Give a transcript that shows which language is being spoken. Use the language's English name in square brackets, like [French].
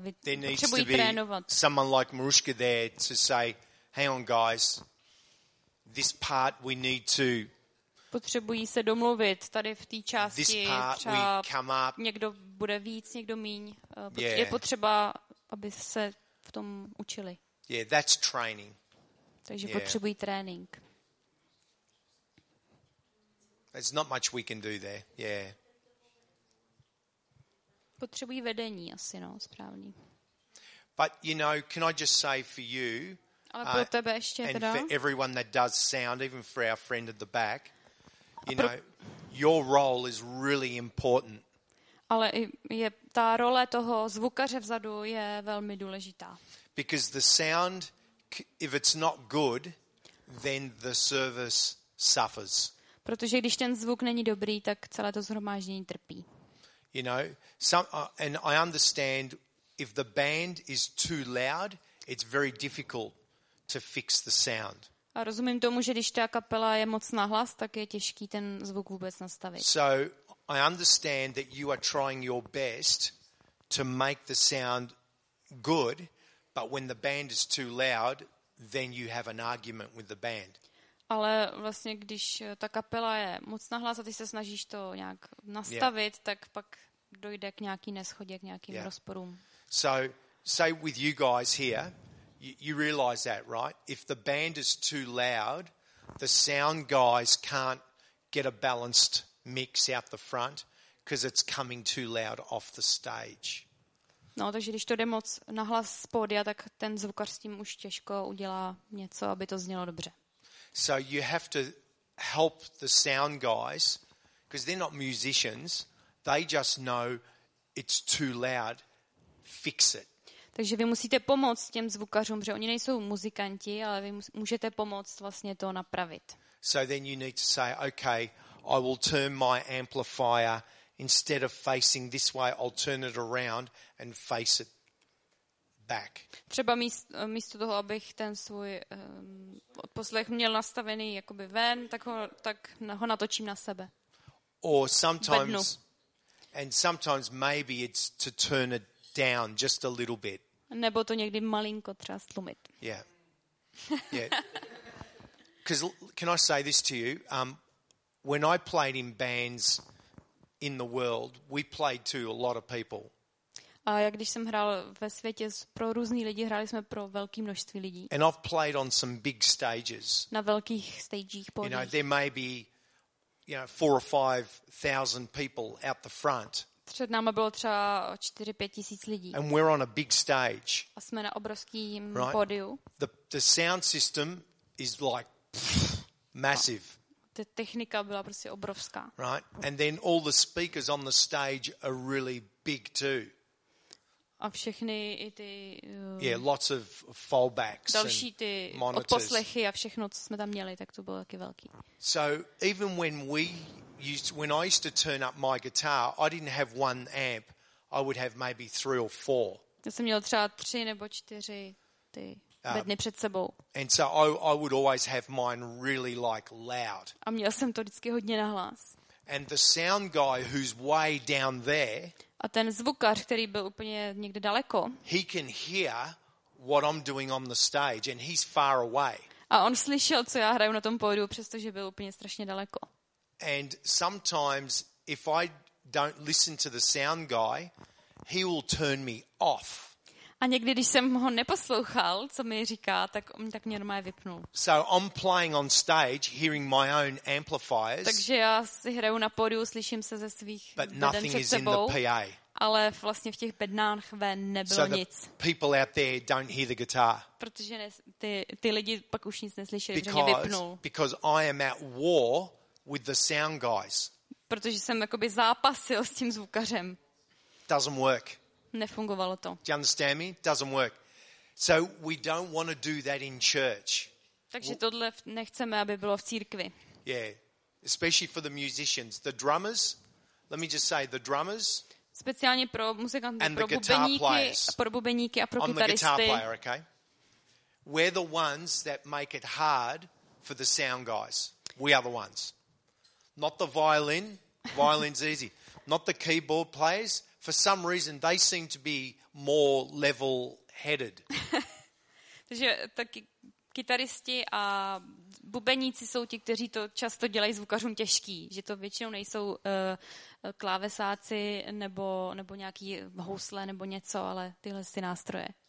[English] there needs to be someone like Maruška there to say, "Hang on guys. This part we need to [Czech] potřebují se domluvit tady v té části. [English] This part we come up. [Czech] Někdo bude víc, někdo míň. Je potřeba, aby se v tom učili. [English] Yeah, that's training. [Czech] Takže potřebují trénink. [English] There's not much we can do there. Yeah. [Czech] Potřebují vedení asi, no, správný. [English] But you know, can I just say for you, [Czech] ale pro tebe ještě [English] and [Czech] teda. [English] For everyone that does sound, even for our friend at the back, you know, your role is really important. [Czech] Ale je ta role toho zvukaře vzadu je velmi důležitá. [English] Because the sound, if it's not good, then the service suffers. [Czech] Protože když ten zvuk není dobrý, tak celé to shromáždění trpí. [English] You know, some, and I understand if the band is too loud, it's very difficult to fix the sound. [Czech] A rozumím tomu, že když ta kapela je moc nahlas, tak je těžký ten zvuk vůbec nastavit. [English] So I understand that you are trying your best to make the sound good, but when the band is too loud, then you have an argument with the band. [Czech] Ale vlastně když ta kapela je moc nahlas a ty se snažíš to nějak nastavit, tak pak dojde k nějaký neschodě, k nějakým rozporům. [English] So say with you guys here, you realize that, right? If the band is too loud, the sound guys can't get a balanced mix out the front because it's coming too loud off the stage. [Czech] No, takže když to jde moc nahlas z pódia, tak ten zvukař s tím už těžko udělá něco, aby to znělo dobře. [English] So you have to help the sound guys because they're not musicians. They just know it's too loud. Fix it. [Czech] Takže vy musíte pomoct těm zvukařům, že oni nejsou muzikanti, ale vy můžete pomoct vlastně to napravit. [English] So then you need to say, okay, I will turn my amplifier instead of facing this way, I'll turn it around and face it back. [Czech] Třeba místo toho, abych ten svůj odposlech měl nastavený jakoby ven, tak ho natočím na sebe. [English] Or sometimes [Czech] bednu. [English] And sometimes maybe it's to turn it down just a little bit. [Czech] Nebo to někdy malinko třeba stlumit. [English] Yeah. Yeah. Cuz can I say this to you? When I played in bands in the world, we played to a lot of people. [Czech] A já když jsem hrál ve světě pro různý lidi, hráli jsme pro velké množství lidí. [English] And I've played on some big stages. [Czech] Na velkých stagech. [English] You know, there may be, you know, 4,000 or 5,000 people out the front. [Czech] Před náma bylo třeba 4,000 to 5,000 lidí. [English] And we're on a big stage. [Czech] A jsme na obrovském pódiu. [English] The sound system is like massive. [Czech] Ta technika byla prostě obrovská. [English] Right? And then all the speakers on the stage are really big too. [Czech] A všechny i ty [English] lots of fallbacks, [Czech] další ty odposlechy a všechno, co jsme tam měli, tak to bylo taky velký. [English] So even when I used to turn up my guitar, I didn't have one amp. I would have maybe 3 or 4. [Czech] Já jsem měl třeba 3 nebo 4 ty bedny před sebou. [English] And so I would always have mine really like loud. [Czech] A měl jsem to vždycky hodně nahlas. [English] And the sound guy who's way down there. [Czech] A ten zvukař, který byl úplně někde daleko. [English] He can hear what I'm doing on the stage and he's far away. [Czech] A on slyšel, co já hraju na tom pódiu, přestože byl úplně strašně daleko. [English] And sometimes if I don't listen to the sound guy, he will turn me off. [Czech] A někdy, když jsem ho neposlouchal, co mi říká, tak on tak mě normálně vypnul. [English] So I'm playing on stage hearing my own amplifiers. [Czech] Takže já si hraju na pódiu, slyším se ze svých beden před sebou. Ale vlastně v těch bednách ven nebylo nic. [English] People out there don't hear the guitar. [Czech] Protože ty lidi pak už nic neslyšeli, že mě vypnul. [English] Because I am at war with the sound guys. [Czech] Protože jsem jakoby zápasil s tím zvukařem. [English] Doesn't work. [Czech] Nefungovalo to. [English] Do you understand me? Doesn't work. So we don't want to do that in church. [Czech] Takže tohle nechceme, aby bylo v církvi. [English] Yeah. Especially for the musicians, the drummers. Let me just say the drummers. [Czech] Speciálně pro muzikanty, [English] and [Czech] pro bubeníky a pro kytaristy. [English] I'm the guitar player, okay? We're the ones that make it hard for the sound guys. We are the ones. Not the violin. Violin's easy. Not the keyboard players. For some reason, they seem to be more level-headed. [Czech] Takže kytaristi a bubeníci jsou ti, kteří to často dělají zvukařům těžký. Že to většinou nejsou klávesáci nebo nějaký housle nebo něco, ale tyhle si nástroje.